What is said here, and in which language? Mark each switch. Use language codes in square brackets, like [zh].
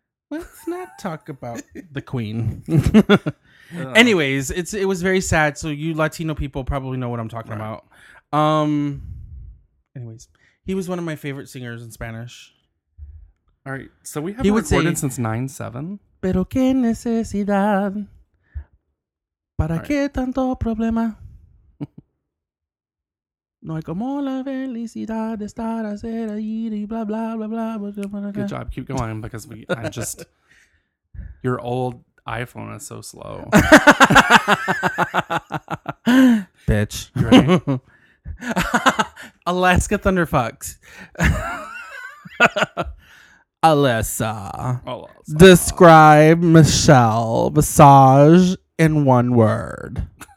[en] Let's not talk about the queen. Anyways, it was very sad. So you Latino people probably know what I'm talking right. about. Anyways, he was one of my favorite singers in Spanish. All right. So we have recorded since 9/7. [es] Pero qué necesidad. Para qué tanto problema. No hay como la felicidad de estar a ser ahí y blah, blah, blah, blah, blah, blah, blah. [en] Good job. Keep going because I'm just... Your old iPhone is so slow. Bitch. Right. Alaska Thunderfucks. Alyssa. Describe Michelle Visage in one word.